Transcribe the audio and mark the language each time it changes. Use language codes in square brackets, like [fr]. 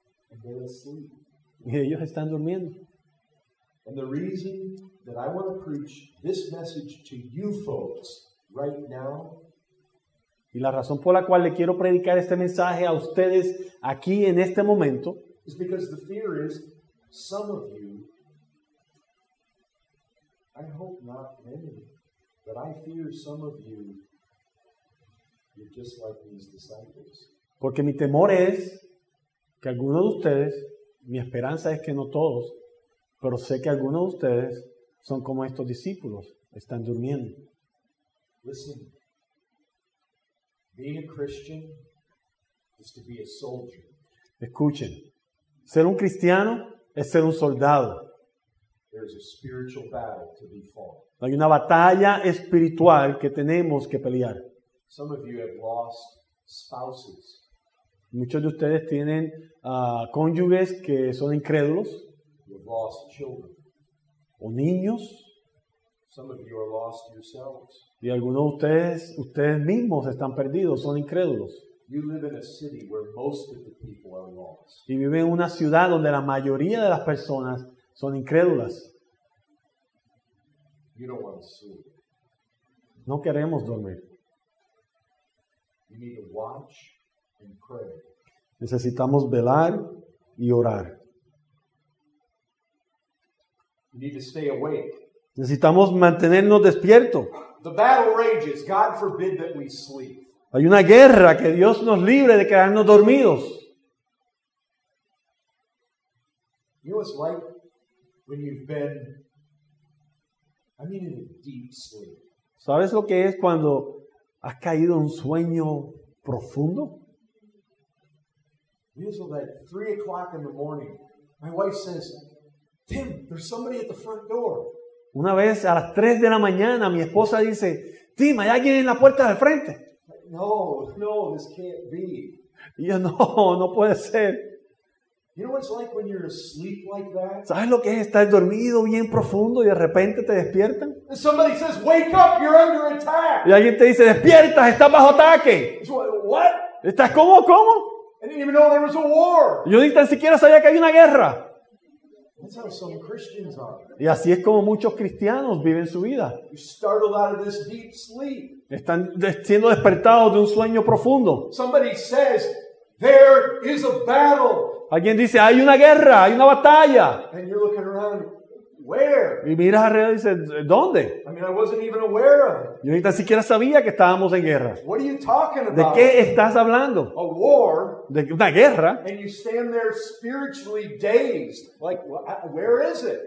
[en] And they're asleep. [es] Y ellos están durmiendo. [en] And the reason that I want to preach this message to you folks right now. [es] Y la razón por la cual le quiero predicar este mensaje a ustedes aquí en este momento [en] is because the fear is some of you, I hope not many, but I fear some of you, you're just like these disciples. [es] Porque mi temor es que algunos de ustedes, mi esperanza es que no todos, pero sé que algunos de ustedes son como estos discípulos, están durmiendo. [en] Listen. Being a Christian is to be a soldier. [es] Escuchen, ser un cristiano es ser un soldado. [en] There is a spiritual battle to be fought. [es] Hay una batalla espiritual que tenemos que pelear. [en] Some of you have lost spouses. [es] Muchos de ustedes tienen cónyuges que son incrédulos. [en] You have lost children. [es] O niños. [en] Some of you are lost yourselves. [es] Y algunos de ustedes mismos están perdidos, son incrédulos. [en] You live in a city where most of the people are lost. [es] Y viven en una ciudad donde la mayoría de las personas son incrédulas. [en] You don't want to sleep. [es] No queremos dormir. [en] You need to watch and pray. [es] Necesitamos velar y orar. [en] You need to stay awake. [es] Necesitamos mantenernos despiertos. [en] The battle rages. God forbid that we sleep. [es] Hay una guerra, que Dios nos libre de quedarnos dormidos. [en] You know, it's like when you've been, in a deep sleep. [es] ¿Sabes lo que es cuando has caído en un sueño profundo? [en] Usually at 3 o'clock in the morning, my wife says, "Tim, there's somebody at the front door." [es] Una vez a las 3 de la mañana, mi esposa dice, "Tim, hay alguien en la puerta del frente." [en] No, no, this can't be. [es] Yo, no, no puede ser. [en] You know what it's like when you're asleep like that? [es] ¿Sabes lo que es estar dormido bien profundo y de repente te despiertan? [en] And somebody says, "Wake up, you're under attack." [es] Y alguien te dice, "Despiertas, estás bajo ataque." [en] What? [es] ¿Estás cómo? ¿Cómo? [en] I didn't even know there was a war. [es] Yo ni tan siquiera sabía que hay una guerra. [en] That's how some Christians are. [es] Y así es como muchos cristianos viven su vida. [en] You're startled out of this deep sleep. [es] Están siendo despertados de un sueño profundo. [en] Somebody says, "There is a battle." [es] Alguien dice, hay una guerra, hay una batalla. [en] And you're looking around, where? [es] Y miras alrededor y dices, ¿dónde? [en] I mean, I wasn't even aware of it. [es] Yo ni tan siquiera sabía que estábamos en guerra. [en] What are you talking about? [es] ¿De qué estás hablando? [en] A war. [es] De una guerra. [en] And you stand there spiritually dazed, like, where is it?